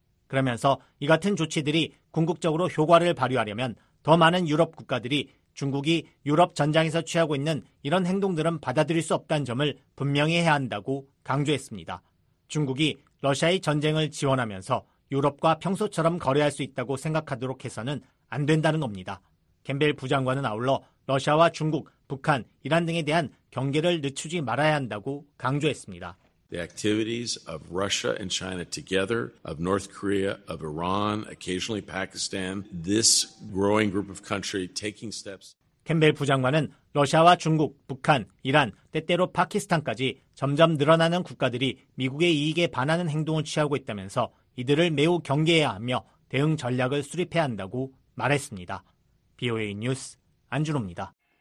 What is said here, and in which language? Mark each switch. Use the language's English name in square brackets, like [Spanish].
[Korean] 그러면서 이 같은 조치들이 궁극적으로 효과를 발휘하려면 더 많은 유럽 국가들이 중국이 유럽 전장에서 취하고 있는 이런 행동들은 받아들일 수 없다는 점을 분명히 해야 한다고 강조했습니다. 중국이 러시아의 전쟁을 지원하면서 유럽과 평소처럼 거래할 수 있다고 생각하도록 해서는 안 된다는 겁니다. 캠벨 부장관은 아울러 러시아와 중국, 북한, 이란 등에 대한 경계를 늦추지 말아야 한다고 강조했습니다. [English] The activities of Russia and China together, of North Korea, of Iran, occasionally Pakistan, this growing group of countries taking steps. [Korean] 캠벨 부장관은 러시아와 중국, 북한, 이란, 때때로 파키스탄까지 점점 늘어나는 국가들이 미국의 이익에 반하는 행동을 취하고 있다면서 이들을 매우 경계해야 하며 대응 전략을 수립해야 한다고 말했습니다. BOA 뉴스 안준호입니다.